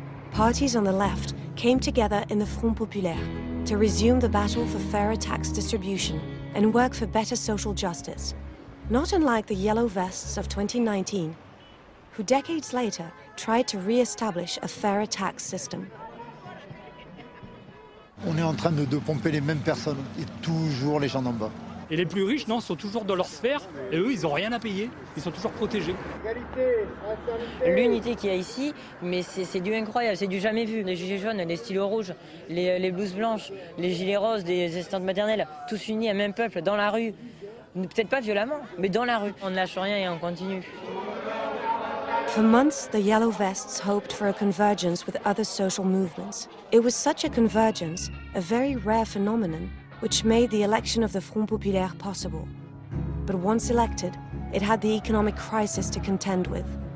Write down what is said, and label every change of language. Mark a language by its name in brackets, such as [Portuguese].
[English] Parties on the left came together in the Front Populaire to resume the battle for fairer tax distribution and work for better social justice. Not unlike the Yellow Vests of 2019, who decades later tried to re-establish a fairer tax system. [French] On est en train de pomper les mêmes personnes et toujours les gens d'en bas. Et les plus riches, non, sont toujours dans leur sphère, et eux, ils n'ont rien à payer, ils sont toujours protégés. L'unité qu'il y a ici, mais c'est du incroyable, c'est du jamais vu. Les gilets jaunes, les stylos rouges, les blouses blanches, les gilets roses, les assistantes maternelles, tous unis, un même peuple, dans la rue. Peut-être pas violemment, mais dans la rue. On ne lâche rien et on continue. [English] For months, the Yellow Vests hoped for a convergence with other social movements. It was such a convergence, a very rare phenomenon, which made the election of the Front Populaire possible. But once elected, it had the economic crisis to contend with.